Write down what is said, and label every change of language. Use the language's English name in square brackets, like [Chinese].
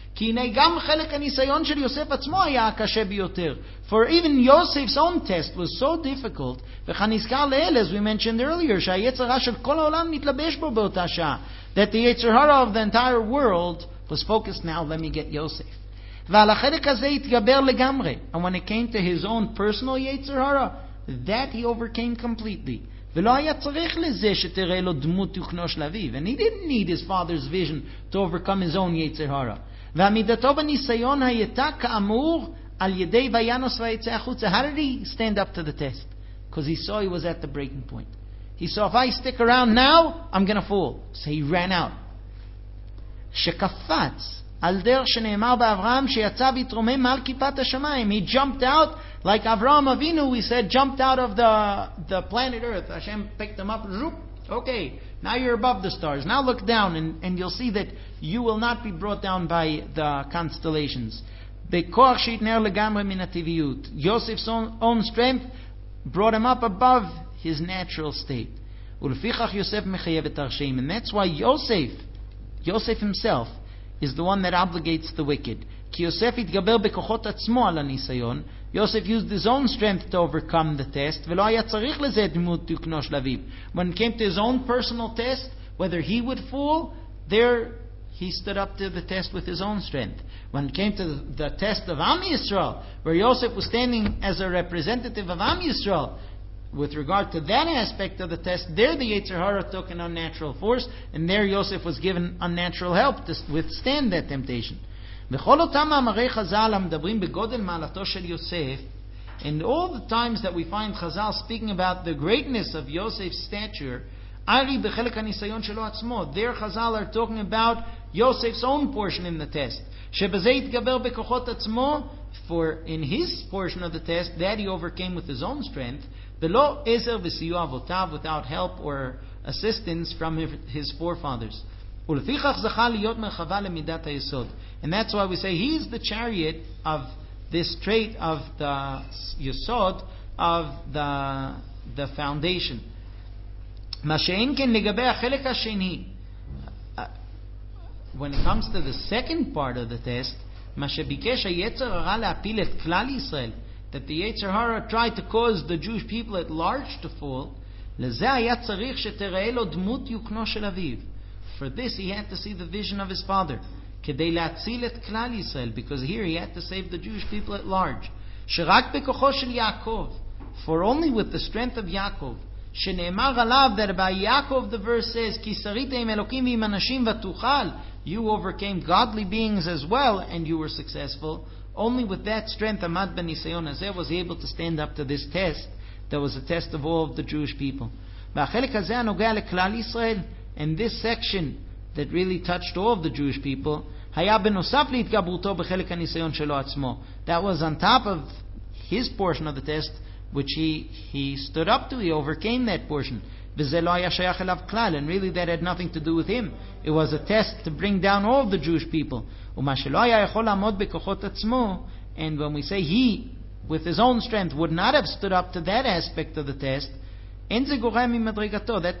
[Hebrew] כי הנה גם חלק הניסיון של יוסף עצמו היה קשה ביותר. [English] For even Yosef's own test was so difficult, [Hebrew] וכנזכר לאל, [English] as we mentioned earlier, [Hebrew] שהיצרה של כל העולם מתלבש בו באותה שעה, [English] that the Yetzirah of the entire world was focused now, let me get Yosef. [Hebrew] ועל החלק הזה התגבר לגמרי. [English] And when it came to his own personal Yetzirah, that he overcame completely. [Hebrew] ולא היה צריך לזה שתראה לו דמות תוכנו של אביו. [English] And he didn't need his father's vision to overcome his own Yetzirah. [Hebrew] ועמידתו בניסיון הייתה כאמור על ידי ויאנוס ויצא החוצה. [English] How did he stand up to the test? Because he saw he was at the breaking point. He saw, if I stick around now, I'm going to fall. So he ran out. [Hebrew] שקפץ על דרך שנאמר באברהם שיצא ויתרומם מעל כיפת השמיים. [English] He jumped out like אברהם אבינו, he said, jumped out of the planet earth. Hashem picked him up. Okay. Now you're above the stars. Now look down and you'll see that you will not be brought down by the constellations. [Hebrew] בכוח שהתנער לגמרי מן הטבעיות. [English] Yosef's own strength brought him up above his natural state. [Hebrew] ולפיכך יוסף מחייב את הרשעים. [English] And that's why Yosef himself is the one that obligates the wicked. [Hebrew] כי יוסף התגבר בכוחות עצמו על הניסיון. [English] Yosef used his own strength to overcome the test, [Hebrew] ולא היה צריך לזה דמות תוכנו של אביו. [English] When it came to his own personal test, whether he would fall, there he stood up to the test with his own strength. When it came to the test of Am Yisrael, where Yosef was standing as a representative of Am Yisrael, with regard to that aspect of the test, there the Yetzer Hara took an unnatural force, and there Yosef was given unnatural help to withstand that temptation. [Hebrew] וכל אותם מאמרי חז"ל המדברים בגודל מעלתו של יוסף, [English] and all the times that we find חז"ל speaking about the greatness of Yosef's stature, [Hebrew] ארי בחלק הניסיון שלו עצמו, [English] there חז"ל are talking about Yosef's own portion in the test, [Hebrew] שבזה התגבר בכוחות עצמו, [English] for in his portion of the test, that he overcame with his own strength, [Hebrew] ולא עזר וסיוע אבותיו, [English] without help or assistance from his forefathers. [Hebrew] ולפיכך זכה להיות מרחבה למידת היסוד. [English] And that's why we say he is the chariot of this trait of the yesod of the foundation. [Hebrew] מה שאין כן לגבי החלק השני, [English] when it comes to the second part of the test, [Hebrew] מה שביקש היצר הרע להפיל את כלל ישראל, [English] that the Yetzer Hara tried to cause the Jewish people at large to fall, [Hebrew] לזה היה צריך שתראה לו דמות יוקנו של אביו. [English] For this he had to see the vision of his father. [Hebrew] כדי להציל את כלל ישראל, [English] because here he had to save the Jewish people at large. [Hebrew] שרק בכוחו של יעקב, [English] for only with the strength of יעקב, [Hebrew] שנאמר עליו, [English] that by יעקב the verse says, [Hebrew] כי שרית עם אלוקים ועם אנשים ותוכל, [English] you overcame godly beings as well, and you were successful. Only with that strength, [Hebrew] עמד בניסיון הזה, [English] was he able to stand up to this test, that was a test of all of the Jewish people. [Hebrew] והחלק הזה הנוגע לכלל ישראל, [English] and this section that really touched all of the Jewish people, [Hebrew] היה בנוסף להתגברותו בחלק הניסיון שלו עצמו. [English] That was on top of his portion of the test, which he stood up to, he overcame that portion. [Hebrew] וזה לא היה שייך אליו כלל, [English] and really that had nothing to do with him. It was a test to bring down all of the Jewish people. [Hebrew] ומה שלא היה יכול לעמוד בכוחות עצמו, [English] and when we say he, with his own strength, would not have stood up to that aspect of the test, [Hebrew] אין זה גורם ממדרגתו.